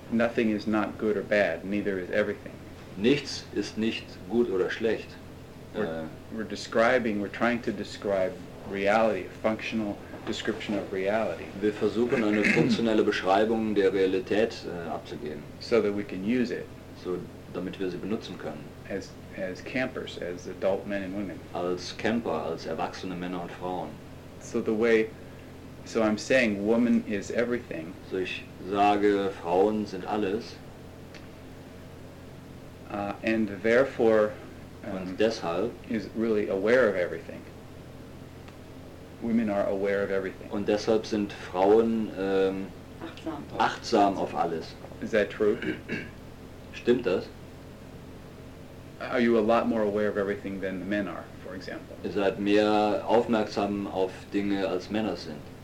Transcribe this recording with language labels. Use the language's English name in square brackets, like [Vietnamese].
[English] nothing is not good or bad, neither is everything. [German] Nichts ist nicht gut oder schlecht. [English] We're trying to describe reality, a functional description of reality. [German] Wir versuchen eine funktionelle Beschreibung der Realität abzugeben. [English] So that we can use it. [German] So damit wir sie benutzen können. [English] As campers, as adult men and women. [German] Als Camper, als erwachsene Männer und Frauen. [English] So I'm saying woman is everything. [German] So ich sage, Frauen sind alles. [English] And therefore [German] und deshalb [English] is really aware of everything. Women are aware of everything. [German] Und deshalb sind Frauen achtsam auf alles. [English] Is that true? [German] Stimmt das? [English] Are you a lot more aware of everything than the men are, for example? [German] Ihr seid mehr aufmerksam auf Dinge als Männer sind.